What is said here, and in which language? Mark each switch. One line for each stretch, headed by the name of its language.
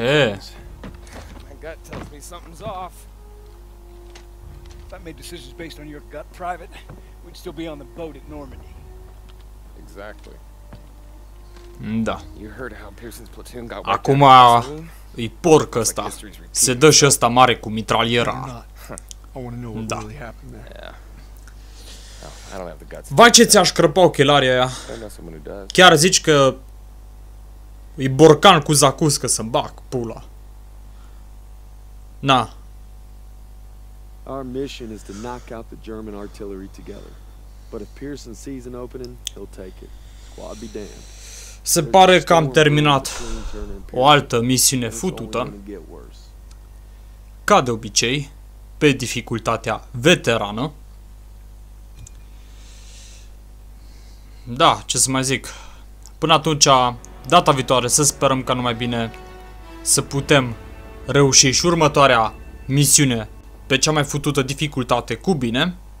English: Yes. My gut tells me something's off. If I made decisions based on your gut, private, we'd still be on the boat at Normandy. Exactly.
Romanian: Da.
English: You heard how Pearson's platoon got
Romanian: acum a îi porc ăsta. Se dă și ăsta mare cu mitraliera.
English: I want to know what really happened there. Yeah. No, I don't have the guts.
Romanian: Vai ce ți-aș crăpa ochelarii aia. Chiar zici că e borcan cu zacuscă să-mi bag pula. Na.
English: Our mission is to knock out the German artillery together. But if Pearson sees an opening, he'll take it. Squad be damned.
Romanian: Se pare că am terminat o altă misiune futută. Ca de obicei, pe dificultatea veterană. Da, ce să mai zic. Până atunci, data viitoare, să sperăm ca numai bine să putem reuși și următoarea misiune pe cea mai futută dificultate cu bine.